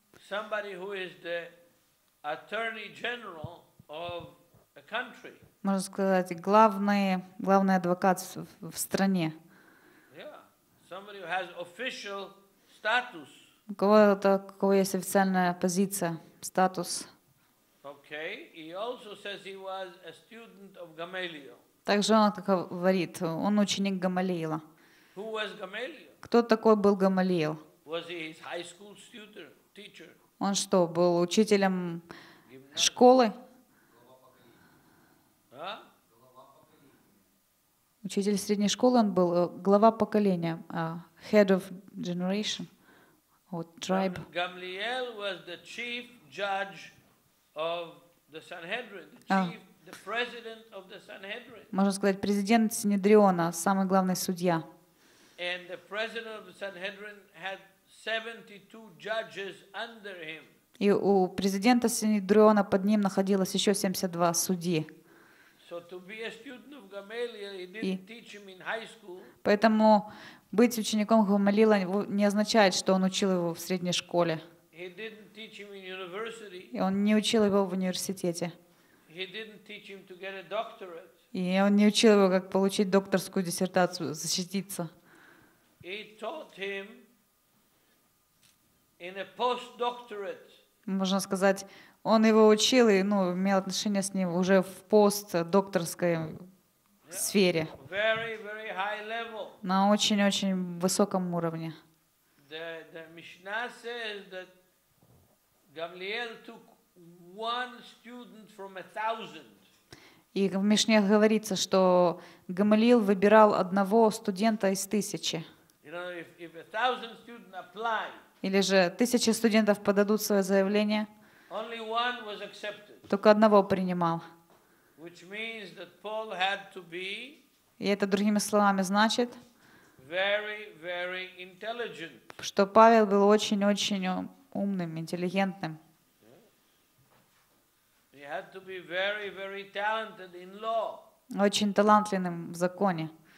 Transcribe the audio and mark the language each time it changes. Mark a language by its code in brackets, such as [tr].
[en] Somebody who is the attorney general of a country. [ru] Можно сказать, главный адвокат в стране. [en] Yeah. Somebody who has official status. [ru] У кого-то, у кого есть официальная позиция, статус. [en] Okay. He also says he was a student of Gamaliel. [ru] Также он говорит, он ученик Гамалиила. [en] Who was Gamaliel? [ru] Кто такой был Гамалиил? [en] Was he his high school tutor, teacher? [ru] Он что, был учителем школы? А? Учитель средней школы он был, глава поколения, [en] head of generation, or tribe. Gamaliel was the chief judge of the Sanhedrin, the chief, the president of the Sanhedrin. [ru] Можно сказать, президент Синедриона, самый главный судья. [en] And the president of the Sanhedrin had 72 judges under him. [ru] И у президента Синедриона под ним находилось еще 72 судьи. [en] So to be a student of Gamaliel, he didn't teach him in high school. [ru] Поэтому быть учеником Гамалиила не означает, что он учил его в средней школе. [en] He didn't teach him in university. [ru] И он не учил его в университете. [en] He didn't teach him to get a doctorate. [ru] И он не учил его, как получить докторскую диссертацию, защититься. [en] He taught him in a postdoctorate. [ru] Можно сказать, он его учил и, ну, имел отношение с ним уже в постдокторской сфере. [en] Very, very high level. [ru] На очень-очень высоком уровне. [en] The Mishnah says that Gamaliel took one student from a thousand. [ru] И в Мишне говорится, что Гамалиил выбирал одного студента из тысячи. [en] You know, if a thousand students apply, [ru] или же тысяча студентов подадут свое заявление, [en] only one was accepted, [ru] только одного принимал. [en] Which means that Paul had to be, [ru] и это, другими словами, значит, [en] very, very intelligent, [ru] что Павел был очень-очень умным, интеллигентным. [en] He had to be very, very talented in law. [ru] Очень талантливым в законе.